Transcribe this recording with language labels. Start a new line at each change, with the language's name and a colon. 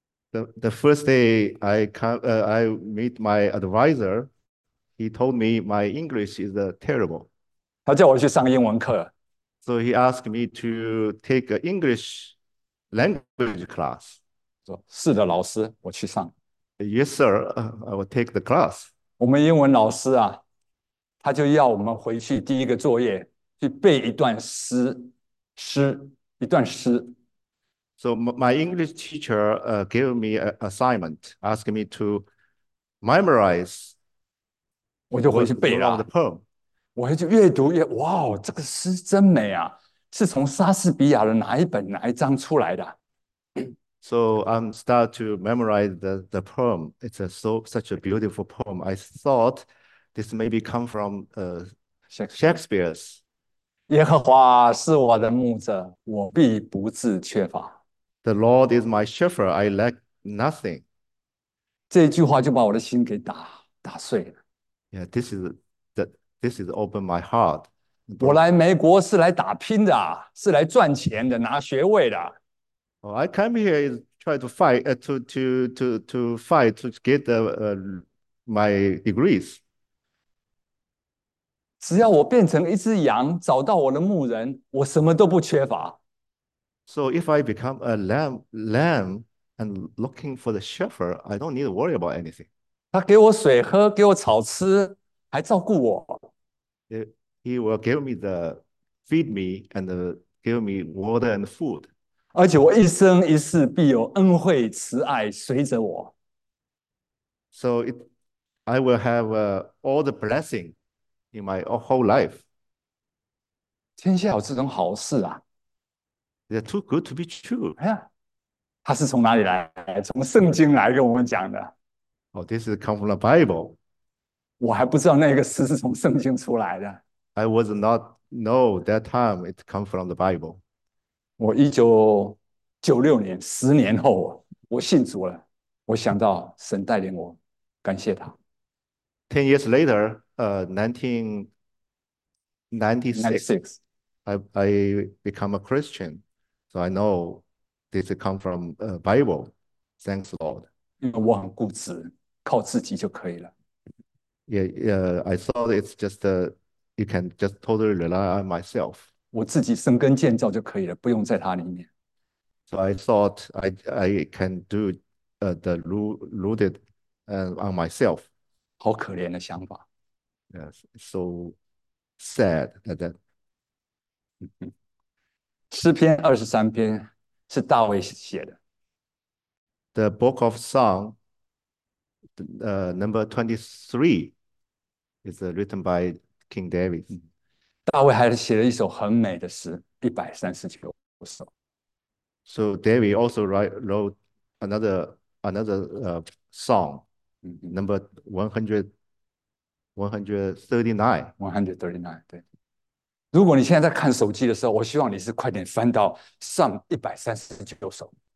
English: The first day I meet my advisor, he told me my English is terrible.
Chinese: 他叫我去上英文课。
English: So he asked me to take an English language class.
Chinese: 说是的，老师，我去上。
English: Yes, sir, I will take the class.
Chinese: 我们英文老师啊，他就要我们回去第一个作业，去背一段诗，一段诗。
English: So my English teacher gave me an assignment, asking me to memorize
Chinese: 我就回去背了。
English: the poem.
Chinese: 我就越读越哇哦，这个诗真美啊！是从莎士比亚的哪一本哪一章出来的？
English: So I'm start to memorize the poem. It's a so such a beautiful poem. I thought this maybe come from Shakespeare's.
Chinese: 耶和华是我的牧者，我必不致缺乏。
English: The Lord is my shepherd; I lack nothing.
Chinese: 这一句话就把我的心给打碎了。
English: Yeah, this is open my heart.
Chinese: 我来美国是来打拼的，是来赚钱的，拿学位的。
English: Oh, I come here is try to fight to fight to get my degrees.
Chinese: 只要我变成一只羊，找到我的牧人，我什么都不缺乏。
English: So if I become a lamb and looking for the shepherd, I don't need to worry about anything.
Chinese: 他给我水喝，给我草吃，还照顾我。
English: He will feed me and give me water and food.
Chinese: 而且我一生一世必有恩惠慈爱随着我。
English: So I will have all the blessing in my whole life.
Chinese: 天下有这种好事啊！
English: They're too good to be true.
Chinese: 哎呀，他是从哪里来？从圣经来跟我们讲的。
English: Oh, this is come from the Bible.
Chinese: 我还不知道那个诗是从圣经出来的。
English: I was not know that time it come from the Bible.
Chinese: 我1996年，10年后，我信主了。我想到神带领我，感谢他。
English: 10 years later, 1996, I become a Christian. So I know this come from Bible. Thanks, Lord.
Chinese: 因为我很固执，靠自己就可以了。
English: Yeah, I thought it's just you can just totally rely on myself.
Chinese: 我自己生根建造就可以了，不用在它里面。
English: So I thought I can do the rooted on myself.
Chinese: 好可怜的想法。
English: Yes, so sad that.
Chinese: 诗篇23篇是大卫写的。
English: The Book of Song, number 23, is written by King David.
Chinese: 大卫还写了一首很美的诗，139首。
English: So David also wrote another song, number 139.
Chinese: 139，对。如果你现在在看手机的时候，我希望你是快点翻到上139首。